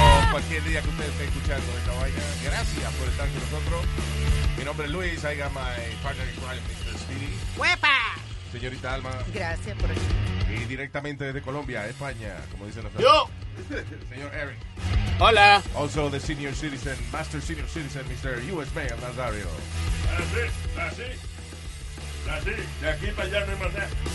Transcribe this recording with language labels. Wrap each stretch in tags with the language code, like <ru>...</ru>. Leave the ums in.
<es>cualquier día que usted esté escuchando esta vaina. Gracias por estar con nosotros. Mi nombre es Luis,</es> <en>I got my partner in crime, Mr. Speedy. ¡Huepa!</en> <es>Señorita Alma. Gracias por eso. Y directamente desde Colombia, España, como dicen los. ¡Yo! Señor Eric. Hola.</es> <en>Also the senior citizen, master senior citizen, Mr.</en> <es>U.S. Mayor Nazario. Así, así. Así, de aquí para allá no más nada.</es>